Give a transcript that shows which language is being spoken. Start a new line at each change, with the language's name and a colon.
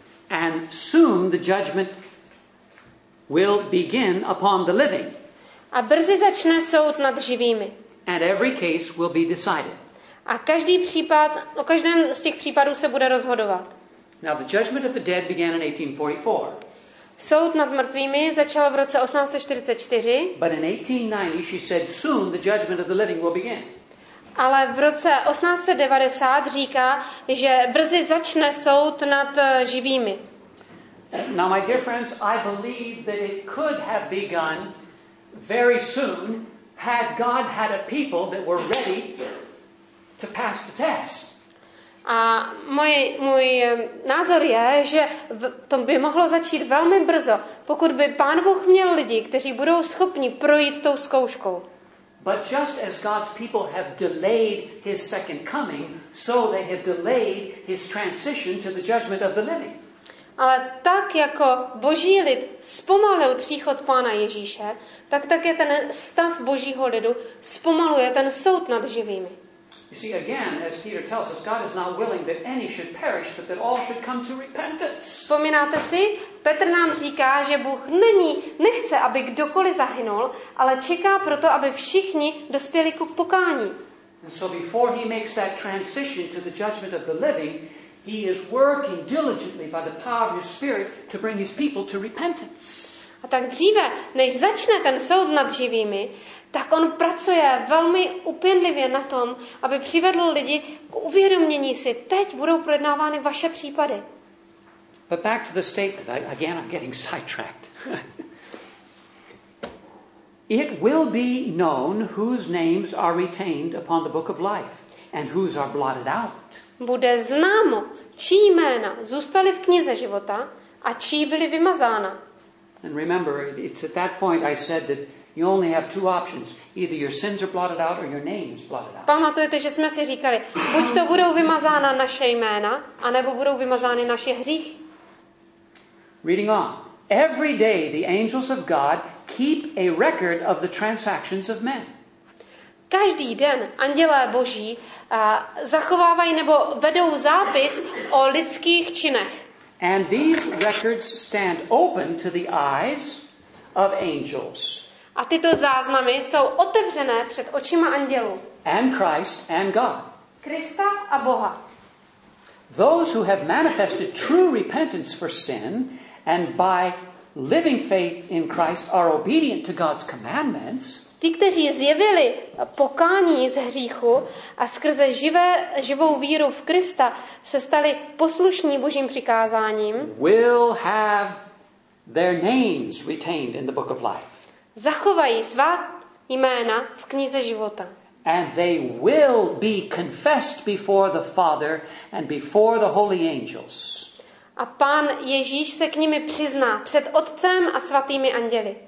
English: And soon the judgment will begin upon the living.
Czech: A brzy začne soud nad živými.
English: And every case will be decided.
Czech: A každý případ, o každém z těch případů se bude rozhodovat.
English: Now the judgment of the dead began in 1844.
Czech: Soud nad mrtvými začal v roce 1844.
English: But in 1890 she said soon the judgment of the living will begin.
Czech: Ale v roce 1890 říká, že brzy začne soud nad živými.
English: Now my dear friends, I believe that it could have begun very soon had God had a people that were ready to pass the test.
Czech: A můj názor je, že to by mohlo začít velmi brzo, pokud by Pán Bůh měl lidi, kteří budou schopni projít tou zkouškou.
English: But just as God's people have delayed his second coming, so they have delayed his transition to the judgment of the living.
Czech: Ale tak jako Boží lid zpomalil příchod Pána Ježíše, tak také ten stav Božího lidu zpomaluje ten soud nad živými.
English: You see, again, as Peter tells us, God is not willing that any should perish, but that all should come to repentance.
Czech: Vzpomínáte si? Petr nám říká, že Bůh nechce, aby kdokoliv zahynul, ale čeká proto, aby všichni dospěli k pokání.
English: And so before he makes that transition to the judgment of the living, he is working diligently by the power of his spirit to bring his people to repentance.
Czech: A tak dříve, než začne ten soud nad živými, tak on pracuje velmi upěnlivě na tom, aby přivedl lidi k uvědomění si, teď budou projednávány vaše případy.
English: But back to the statement, again I'm getting sidetracked. It will be known whose names are retained upon the book of life and whose are blotted out.
Czech: Bude známo, čí jména zůstaly v knize života a čí byly vymazána.
English: And remember, it's at that point I said that you only have two options. Either your sins are blotted out or your name is blotted out.
Czech: Pamatujete, že jsme si říkali, buď to budou vymazána naše jména, anebo budou vymazány naše hříchy.
English: Reading on. Every day the angels of God keep a record of the transactions of men.
Czech: Každý den andělé Boží zachovávají nebo vedou zápis o lidských činech.
English: And these records stand open to the eyes of angels.
Czech: A tyto záznamy jsou otevřené před očima andělů.
English: And Christ and God.
Czech: Krista a Boha.
English: Those who have manifested true repentance for sin and by living faith in Christ are obedient to God's commandments.
Czech: Ti, kteří zjevili pokání z hříchu a skrze živou víru v Krista se stali poslušní Božím přikázáním,
English: will have their names retained in the book of life.
Czech: Zachovají svá jména v knize života.
English: And they will be confessed before the Father and before the holy angels.
Czech: A Pán Ježíš se k nimi přizná před Otcem a svatými anděli.